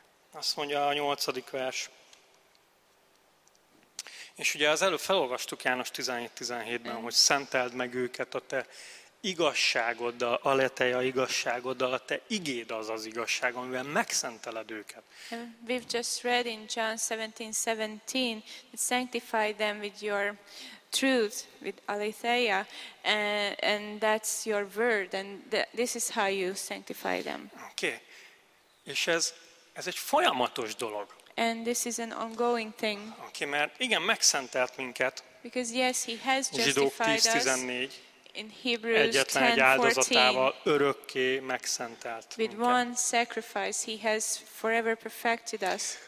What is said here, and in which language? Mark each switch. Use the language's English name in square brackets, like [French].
[Hungarian] Azt mondja a 8. vers. És ugye az előbb felolvastuk János 17:17-ben, hogy szenteld meg őket a te igazságoddal, a leteja igazságoddal, a te igéd az az igazság, amivel megszenteled őket. [English] And we've just read in John 17:17 that sanctify them with your truth, with aletheia, and that's your word, and this is how you sanctify them. Okay. [Hungarian] És ez egy folyamatos dolog. [English] And this is an ongoing thing. [Hungarian] Okay, mert igen, megszentelt minket. [English] Because yes, he has justified [Hungarian] us. Zsidók 10:14. [English] In Hebrews 10:14. [Hungarian] Egyetlen egy áldozatával örökké megszentelt minket. [English] With one sacrifice, he has forever perfected us.